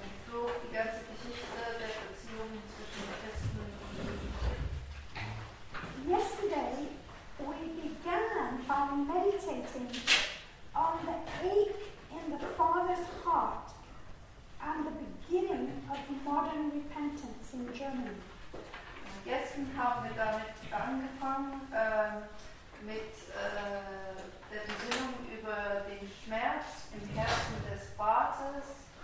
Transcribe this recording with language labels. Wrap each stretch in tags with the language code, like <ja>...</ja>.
<de>Die ganze Geschichte der Beziehungen zwischen Christen und Juden.</de> <en>Yesterday we began by meditating on the ache in the Father's heart and the beginning of modern repentance in Germany.</en> <de>Gestern haben wir damit angefangen, mit der Besinnung über den Schmerz im Herzen des Vaters.</de>